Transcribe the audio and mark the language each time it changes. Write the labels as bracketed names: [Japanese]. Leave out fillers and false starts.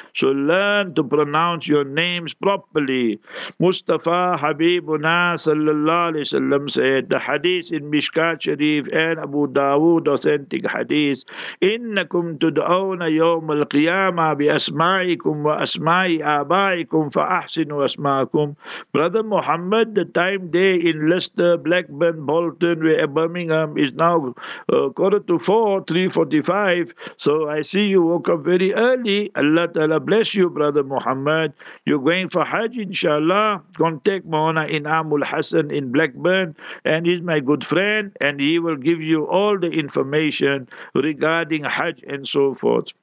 [English] So learn to pronounce your names properly. Mustafa Habibuna sallallahu alayhi wa sallam said, the hadith in Mishkat Sharif and Abu Dawood, authentic hadith, [Arabic] إِنَّكُمْ تُدْعَوْنَ يَوْمَ الْقِيَامَةِ بِأَسْمَائِكُمْ وَأَسْمَائِ آبائكم فأحسنوا أسماءكم. [English] Brother Muhammad, the time there in Leicester, Blackburn, Bolton, where Birmingham is now 3:45. So I see you woke up very early. Allah Ta'ala bless you, Brother Muhammad. You're going for Hajj, inshallah. Contact Mawlana Inamul Hassan in Blackburn, and he's my good friend, and he will give you all the information regarding Hajj and so forth.